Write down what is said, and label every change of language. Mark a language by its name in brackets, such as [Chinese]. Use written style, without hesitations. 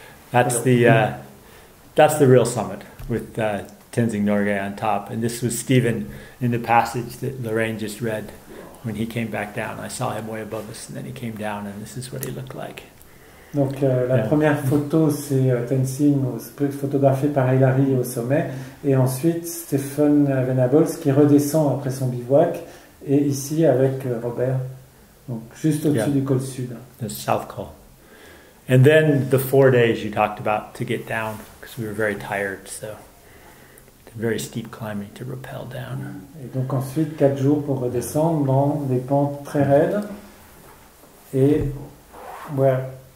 [English] That's the real summit with Tenzing Norgay on top. And this was Stephen in the passage that Lorraine just read when he came back down. I saw him way above us, and then he came down, and this is what he looked like. [French] Donc la première photo, c'est Tenzing, photographié par Hillary au sommet, et ensuite Stephen Venables qui redescend après son bivouac, et ici avec Robert, donc juste au-dessus du col sud. [English] The South Col. And then the 4 days you talked about to get down, because we were very tired, so very steep climbing to rappel down. [French] Et donc ensuite 4 jours pour redescendre dans des pentes très raides, et voilà.